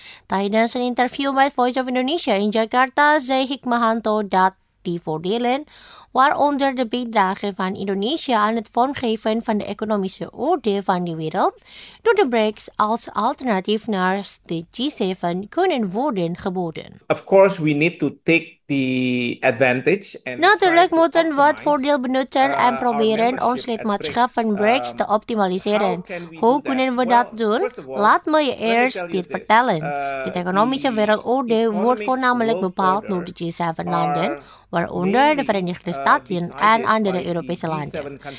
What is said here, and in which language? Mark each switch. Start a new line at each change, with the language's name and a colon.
Dutch: Tijdens een interview met Voice of Indonesia in Jakarta zei Hikmah Hanto dat die voordelen, waaronder de bijdrage van Indonesië aan het vormgeven van de economische orde van de wereld, door de BRICS als alternatief naar de G7 kunnen worden geboden.
English: Of course, we need to take the advantage.
Dutch: Natuurlijk moeten we het voordeel benutten en proberen ons lidmaatschap van BRICS te optimaliseren. Hoe kunnen we dat doen? Laat me je eerst dit vertellen. De economische wereldorde wordt voornamelijk bepaald door de G7-landen, waaronder de Verenigde Staten en andere Europese landen.